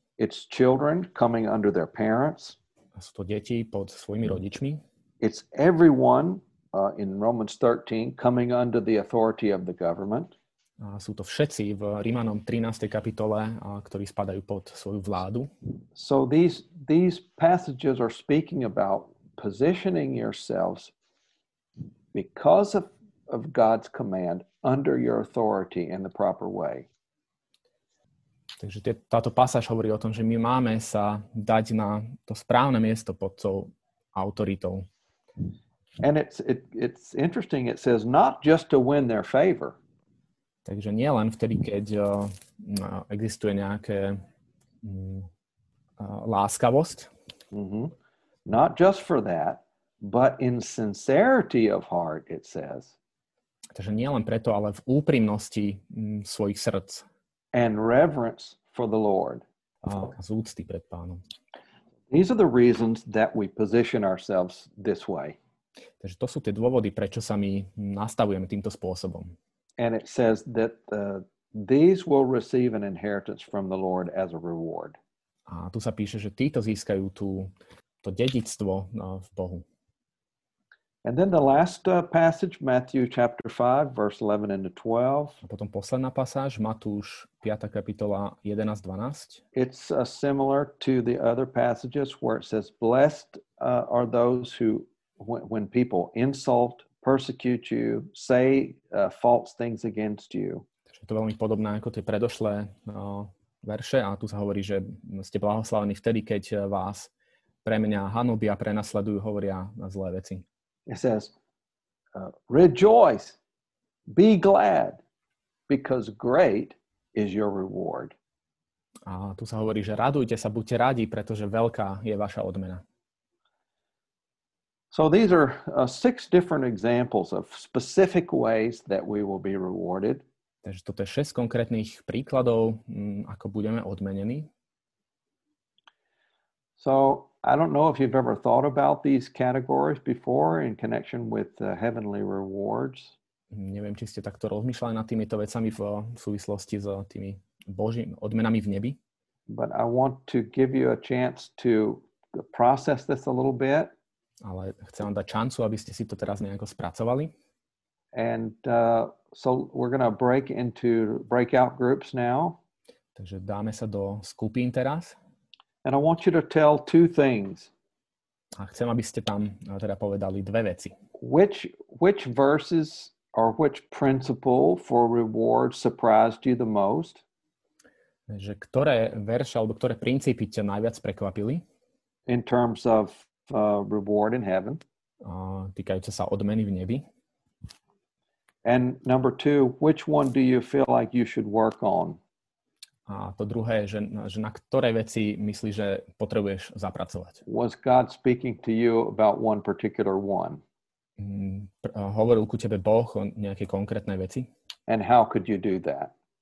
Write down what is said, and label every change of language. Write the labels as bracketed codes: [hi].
[en] It's children coming under their parents. [sk] A sú to deti pod svojimi rodičmi. [en] It's everyone in Romans 13 coming under the authority of the government. [sk] A sú to všetci v Rímanom 13. kapitole, ktorí spadajú pod svoju vládu. [en] So these passages are speaking about positioning yourselves because of God's command under your authority in the proper way. [sk] Takže táto pasáž hovorí o tom, že my máme sa dať na to správne miesto pod tou autoritou. [en] And it's interesting, it says not just to win their favor. [sk] Takže nie len vtedy, keď existuje nejaké láskavosť. Mm-hmm. [en] Not just for that, but in sincerity of heart, it says. [sk] Takže nie len preto, ale v úprimnosti svojich srdc. [en] And reverence for the Lord. [sk] Z úcty pred pánom. [en] These are the reasons that we position ourselves this way. [sk] Takže to sú tie dôvody, prečo sa my nastavujeme týmto spôsobom. [en] And it says that these will receive an inheritance from the Lord as a reward. [sk] A tu sa píše, že títo získajú to dedičstvo v Bohu. [en] And then the last passage, Matthew chapter 5, verse 11 and 12. [sk] A potom posledná pasáž, Matúš 5. kapitola 11, 12. [en] It's similar to the other passages where it says, blessed are those who, when people insult, persecute you, say false things against you. [sk] Je to veľmi podobné ako tie predošlé verše a tu sa hovorí, že ste blahoslavení vtedy, keď vás pre mňa hanobia, prenasledujú, hovoria zlé veci. [en] It says, rejoice, be glad, because great is your reward. [sk] A tu sa hovorí, že radujte sa, buďte radi, pretože veľká je vaša odmena. [en] So these are six different examples of specific ways that we will be rewarded. [sk] Takže toto je šesť konkrétnych príkladov, ako budeme odmenení. [en] So I don't know if you've ever thought about these categories before in connection with the heavenly rewards. [sk] Neviem, či ste takto rozmýšľali nad týmito vecami v súvislosti s tými Božími odmenami v nebi. [en] But I want to give you a chance to process this a little bit. [sk] Ale chcem vám dať šancu, aby ste si to teraz nejako spracovali. [en] And so we're going to break into breakout groups now. [sk] Takže dáme sa do skupín teraz. [en] And I want you to tell two things. [sk] A chcem, aby ste tam teda povedali dve veci. [en] Which verses or which principle for reward surprised you the most? [sk] Že ktoré verše alebo ktoré princípy ťa najviac prekvapili? [en] In terms of reward in heaven. [sk] Týkajúce sa odmeny v nebi. [en] And number two, which one do you feel like you should work on? [sk] A to druhé, že na ktoré veci myslíš, že potrebuješ zapracovať. [en] Was God speaking to you about one particular one? [sk] Hovoril ku tebe Boh o nejaké konkrétne veci? [en] And how could you do that?